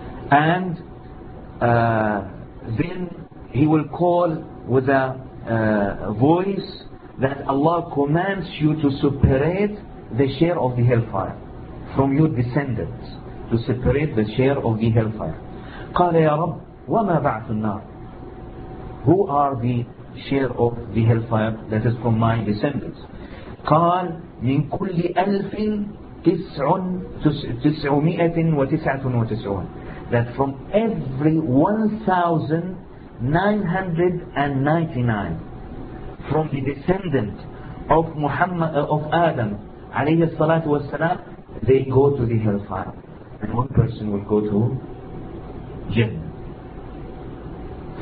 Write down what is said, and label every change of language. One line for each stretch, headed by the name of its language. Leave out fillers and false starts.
English: And then he will call with a voice that Allah commands you to separate the share of the hellfire from your descendants, to separate the share of the hellfire.
Arabic: قال يا رب وما بعث النار.
English: Who are the share of the hellfire that is from my descendants?
Arabic: قال من كل ألف تسعمائة وتسعة وتسعون.
English: That from every 1,999 from the descendant of Muhammad of Adam
Arabic: عليه الصلاة والسلام,
English: they go to the hellfire, and one person will go to Jannah.